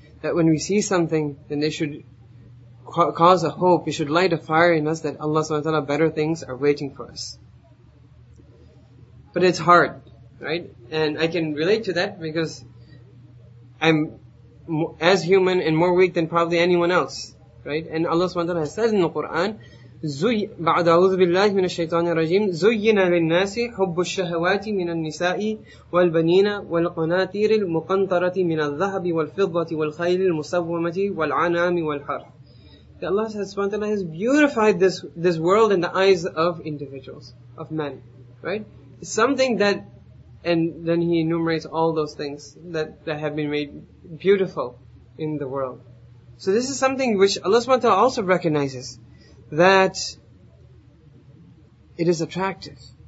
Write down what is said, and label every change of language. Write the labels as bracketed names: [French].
[English] That when we see something, then they should cause a hope. It should light a fire in us that Allah subhanahu wa ta'ala, better things are waiting for us. But it's hard, right? And I can relate to that because I'm as human and more weak than probably anyone else, right? And Allah subhanahu wa ta'ala has said in the Quran, [Arabic] بعد أعوذ بالله من الشيطان الرجيم زين للناس حب الشهوات من النساء والبنين والقناطير المقنطرة من الذهب والفضة والخيل المسومة والعنام والحرث. [English] That Allah has beautified this world in the eyes of individuals, of men, right? Something that, and then He enumerates all those things that have been made beautiful in the world. So this is something which Allah subhanahu wa ta'ala also recognizes, that it is attractive.